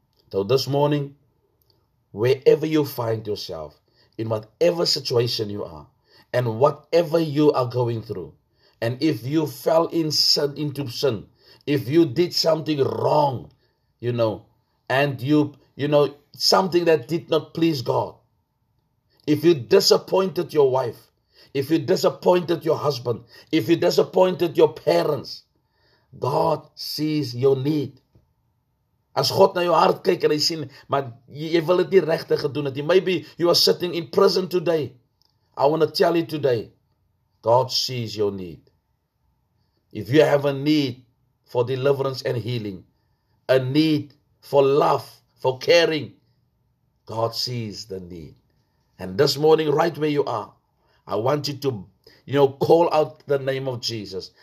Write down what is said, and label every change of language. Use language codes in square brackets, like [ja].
[en] So this morning, wherever you find yourself, in whatever situation you are, and whatever you are going through, and if you fell in sin, into sin, if you did something wrong, you know, and you know, something that did not please God, if you disappointed your wife, if you disappointed your husband, if you disappointed your parents, God sees your need. [af] As God na jou hart kyk en hy sien, maar jy wil dit nie regtig gedoen het. [en] Maybe you are sitting in prison today. I want to tell you today, God sees your need. If you have a need for deliverance and healing, a need for love, for caring, God sees the need. And this morning, right where you are, I want you to, you know, call out the name of Jesus.